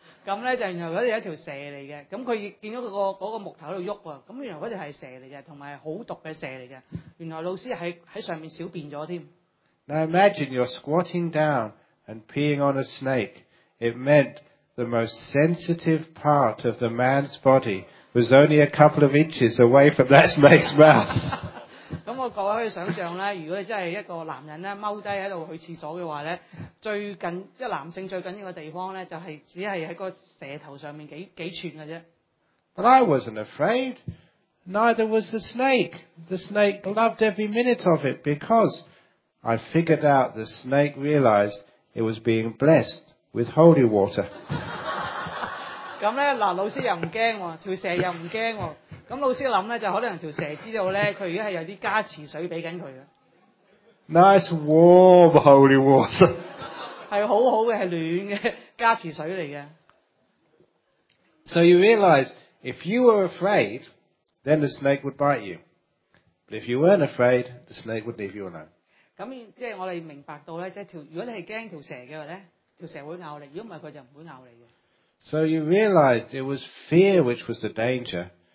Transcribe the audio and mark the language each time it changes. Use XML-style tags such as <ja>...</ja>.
<yue>咁咧就原來嗰度有一條蛇嚟嘅。咁佢見到嗰個木頭喺度喐喎。咁原來嗰條係蛇嚟嘅，同埋好毒嘅蛇嚟嘅。原來老師喺上面小便咗添。</yue> <en>Now imagine you're squatting down and peeing on a snake. It meant the most sensitive part of the man's body was only a couple of inches away from that snake's mouth.</en> <yue>咁我各位可以想象咧，如果真係一個男人咧踎低喺度去廁所嘅話咧，最近一男性最緊要嘅地方咧，就係只係喺個蛇頭上面幾寸嘅啫。</yue> <en>But I wasn't afraid. Neither was the snake. The snake loved every minute of it because I figured out the snake realized it was being blessed with holy water.</en> <yue>咁咧嗱，老師又唔驚喎，條蛇又唔驚喎。咁老師諗咧，就可能條蛇知道咧，佢而家係有啲加持水俾緊佢嘅。</yue> <en>Nice warm holy water 。</en> <yue>係好好嘅，係暖嘅加持水嚟嘅。</yue> <en>So you realise if you were afraid, then the snake would bite you. But if you weren't afraid, the snake would leave you alone.</en> <yue>咁即係我哋明白到咧，即係如果你係驚條蛇嘅話咧，條蛇會咬你；如果唔係，佢就唔會咬你嘅。</yue> <en>So you realise it was fear which was the danger.</en>